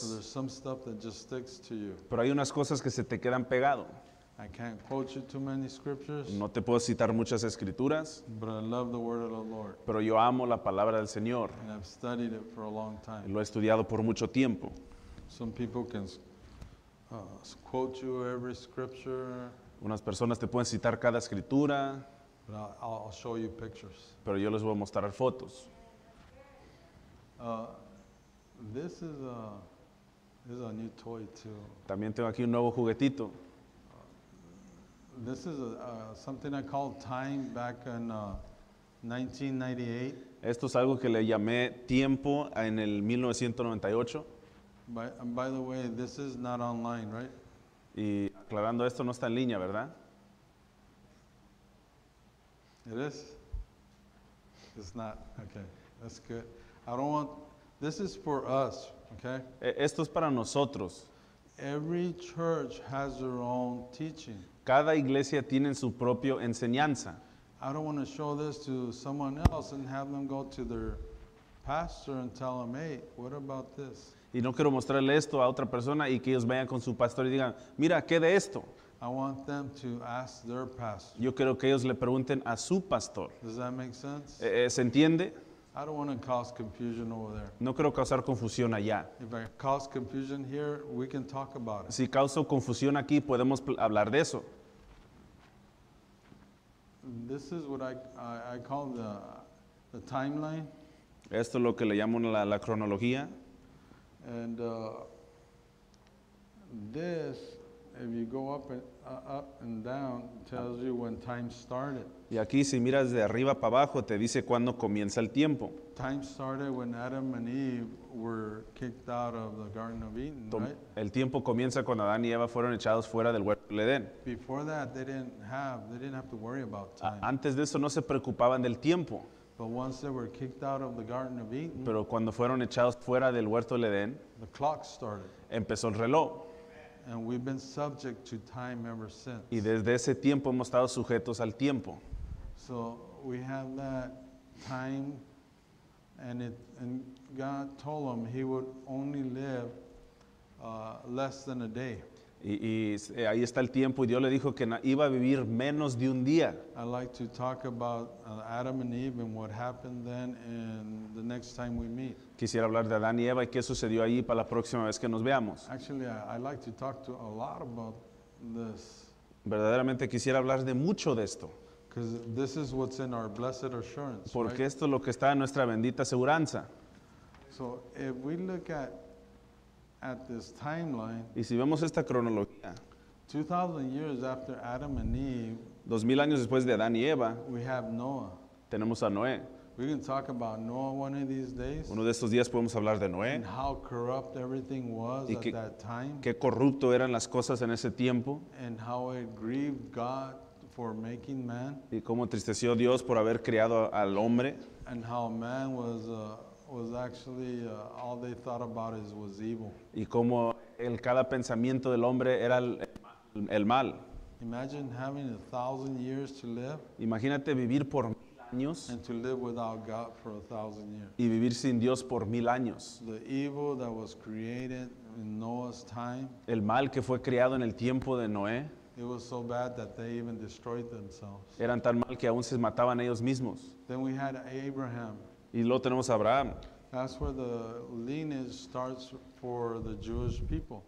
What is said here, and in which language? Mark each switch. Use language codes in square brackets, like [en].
[en] So there's some stuff that just sticks to you. [es] Pero hay unas cosas que se te quedan pegado. [en] I can't quote you too many scriptures. [es] No te puedo citar muchas escrituras. [en] But I love the word of the Lord. [es] Pero yo amo la palabra del Señor. [en] And I've studied it for a long time. [es] Lo he estudiado por mucho tiempo. [en] Some people can quote you every scripture. [es] Unas personas te pueden citar cada escritura. [en] But I'll show you pictures. [es] Pero yo les voy a mostrar fotos. [en] This is a new toy too. [es] También tengo aquí un nuevo juguetito. [en] This is something I called time back in 1998. [es] Esto es algo que le llamé tiempo en el 1998. [en] By the way, this is not online, right? [es] Y aclarando esto, no está en línea, ¿verdad? [en] It is. It's not. Okay. That's good. This is for us, okay? [es] Esto es para nosotros. [en] Every church has their own teaching. [es] Cada iglesia tiene su propia enseñanza. [en] I don't want to show this to someone else and have them go to their pastor and tell them, hey, what about this? [es] Y no quiero mostrarle esto a otra persona y que ellos vayan con su pastor y digan, mira, ¿qué de esto? [en] I want them to ask their pastor. [es] Yo quiero que ellos le pregunten a su pastor. [en] Does that make sense? [es] ¿Se entiende? [en] I don't want to cause confusion over there. [es] No quiero causar confusión allá. [en] If I cause confusion here, we can talk about it. [es] Si causo confusión aquí, podemos hablar de eso. [en] This is what I call the timeline. [es] Esto es lo que le llamo la cronología. [en] And this, if you go up and up and down, tells you when time started. [es] Y aquí, si miras de arriba para abajo, te dice cuándo comienza el tiempo. [en] Time started when Adam and Eve were kicked out of the Garden of Eden, right? [es] El tiempo comienza cuando Adán y Eva fueron echados fuera del huerto del Edén. [en] Before that, they didn't have to worry about time. [es] Antes de eso, no se preocupaban del tiempo. [en] But once they were kicked out of the Garden of Eden, [es] pero cuando fueron echados fuera del huerto del Edén, [en] the clock started. [es] Empezó el reloj. [en] And we've been subject to time ever since. [es] Y desde ese tiempo hemos estado sujetos al tiempo. [en] So we have that time, and God told him he would only live less than a day. [es] Y ahí está el tiempo, y Dios le dijo que iba a vivir menos de un día. [en] I like to talk about Adam and Eve and what happened then and the next time we meet. [es] Quisiera hablar de Adán y Eva y qué sucedió allí para la próxima vez que nos veamos. [en] Actually, I like to talk to a lot about this. [es] Verdaderamente quisiera hablar de mucho de esto. [en] Because this is what's in our blessed assurance. [es] Porque [en] right? [es] Esto es lo que está en nuestra bendita aseguranza. [en] So if we look at this timeline, [es] y si vemos esta cronología, [en] 2,000 years after Adam and Eve, [es] 2,000 años después de Adán y Eva, [en] we have Noah. [es] Tenemos a Noé. [en] We can talk about Noah one of these days. [es] Uno de estos días podemos hablar de Noé. [en] And how corrupt everything was [es] y [en] at that time. [es] Qué corrupto eran las cosas en ese tiempo. [en] And how it grieved God for making man. [es] Y cómo entristeció Dios por haber creado al hombre. [en] And how man was actually all they thought about is was evil. [es] Y cómo el cada pensamiento del hombre era el mal. [en] Imagine having 1,000 years to live. [es] Imagínate vivir por años. [en] And to live without God for 1,000 years. [es] Y vivir sin Dios por 1,000 años. [en] The evil that was created in Noah's time. [es] El mal que fue creado en el tiempo de Noé. [en] It was so bad that they even destroyed themselves. [es] Eran tan mal que aún se mataban ellos mismos. [en] Then we had Abraham. [es] Y luego tenemos a Abraham. [en] That's where the lineage starts for the Jewish people.